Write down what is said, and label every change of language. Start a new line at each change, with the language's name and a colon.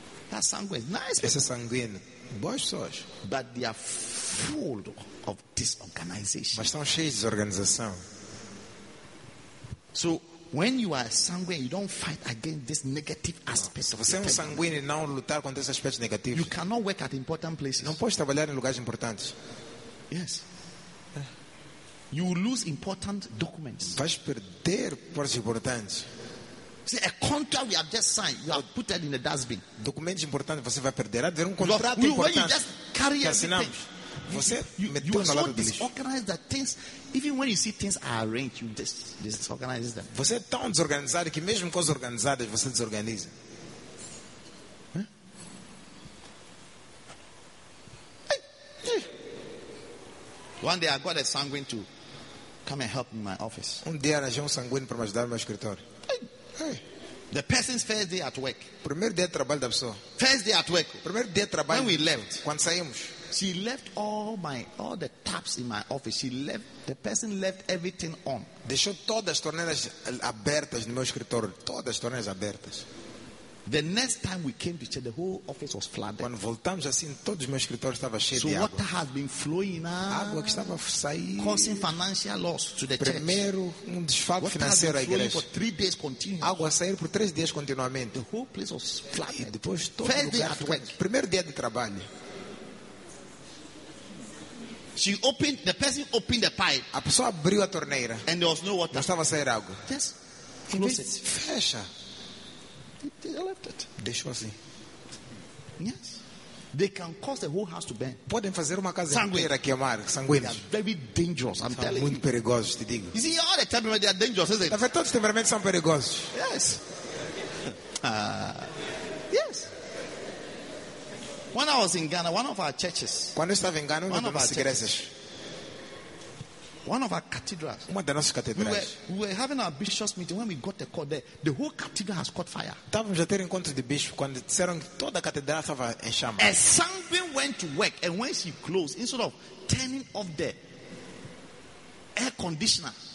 English: That's sanguine. Nice.
Portuguese: Esse é sanguíneo. Boas pessoas.
English: But they are full of disorganization.
Portuguese: Mas estão cheios de desorganização.
English: So when you are sanguine, you don't fight against this negative aspect.
Portuguese: Se você é sanguíneo e não lutar contra esses aspectos negativos.
English: You cannot work at important places.
Portuguese: Não pode trabalhar em lugares importantes.
English: Yes. You lose important documents.
Portuguese: Vais perder coisas importantes.
English: See, a contract we have just signed, you have put it in the dustbin.
Portuguese: Documentos importantes você vai perder. Há de ver contrato importante.
English: When you just carry everything.
Portuguese: Você
English: you are so disorganized that things, even when you see things are arranged, you disorganize them.
Portuguese: Você é tão desorganizado que mesmo coisas organizadas você desorganiza.
English: One day I got a sanguine to come and help me in my office.
Portuguese: Um dia arranjei um sanguíneo para me ajudar no meu escritório.
English: The person's first day at work.
Portuguese: Primeiro dia de trabalho da pessoa.
English: First day at work.
Portuguese: Primeiro dia de trabalho.
English: When we left.
Portuguese: Quando saímos.
English: She left all the taps in my office. She left the person left everything on.
Portuguese: Deixou todas as torneiras abertas no meu escritório. Todas as torneiras abertas.
English: The next time we came to church, the whole office was flooded.
Portuguese: Quando voltamos assim, todos os meus escritórios estavam cheios de água.
English: So water has been flowing.
Portuguese: Água que estava a sair.
English: Causing financial loss to the church.
Portuguese: Primeiro desfalque financeiro à igreja.
English: For 3 days continuous.
Portuguese: Água a sair por 3 dias continuamente.
English: The whole place was flooded.
Portuguese: E depois todo o lugar. Primeiro dia de trabalho.
English: She opened. The person opened the pipe.
Portuguese: A pessoa abriu a torneira.
English: And there was no water.
Portuguese: Não estava a sair água.
English: Yes. Close it.
Portuguese: Fecha.
English: They left it.
Portuguese: Deixou assim.
English: Yes. They can cause the whole house to burn.
Portuguese: Podem fazer uma casa inteira queimar. Sanguíneos.
English: They are very dangerous. I'm telling you.
Portuguese: Muito perigosos, te digo.
English: You see, all the time they are dangerous, isn't it?
Portuguese: Na verdade, os temperamentos são perigosos.
English: Yes. Yes. When I was in Ghana, one of our churches.
Portuguese: Quando eu estava em Ghana, uma das igrejas.
English: One of our cathedrals.
Portuguese: Uma das nossas catedrais.
English: We were having our bishop's meeting when we got the call there. The whole cathedral has caught fire.
Portuguese: Estávamos a ter encontro de bispo quando disseram que toda a catedral estava em chamas.
English: A sanguine went to work, and when she closed, instead of turning off the air conditioner,